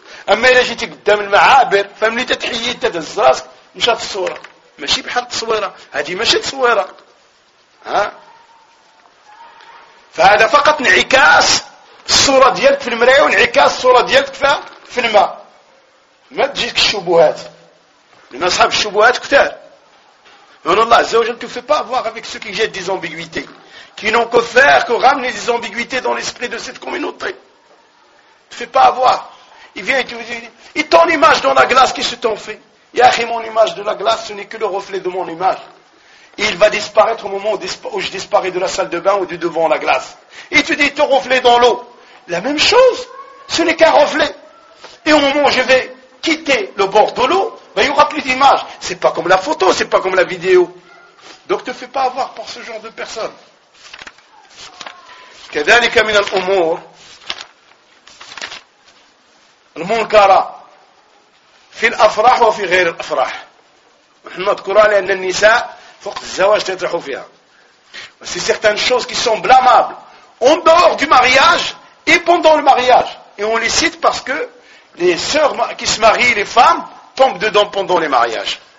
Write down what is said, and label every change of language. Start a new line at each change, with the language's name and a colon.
Arabic: اما الا جيتي قدام المعابر فملي تتحيد تهز راسك مشات الصوره، ماشي بحال التصويره، هذه ماشي تصويره. ها فهذا فقط انعكاس الصوره ديالك في المرايه وانعكاس الصوره ديالك في الماء. ما تجيك الشبهات، لان اصحاب الشبهات كثار.
French: Non, non, là, je ne te fais pas voir avec ceux qui jettent des ambiguïtés, qui n'ont que faire que ramener des ambiguïtés dans l'esprit de cette communauté. Ne te fais pas avoir. Il vient et tu dis: et ton image dans la glace qui se t'en fait? Yahi, mon image de la glace, ce n'est que le reflet de mon image. Et il va disparaître au moment où je disparais de la salle de bain ou du devant la glace. Et tu dis: ton reflet dans l'eau? La même chose, ce n'est qu'un reflet. Et au moment où je vais quitter le bord de l'eau, ben, il n'y aura plus d'image. C'est pas comme la photo, c'est pas comme la vidéo. Donc ne te fais pas avoir par ce genre de personnes.
Arabic: كذلك من الأمور المنكرة في الأفراح وفي غير الأفراح. نحن نذكرها لأن النساء فوق الزواج تطرحوا فيها.
French: C'est certaines choses qui sont blâmables en dehors du mariage et pendant le mariage. Et on les cite parce que les sœurs qui se marient, les femmes, tombent dedans pendant les mariages.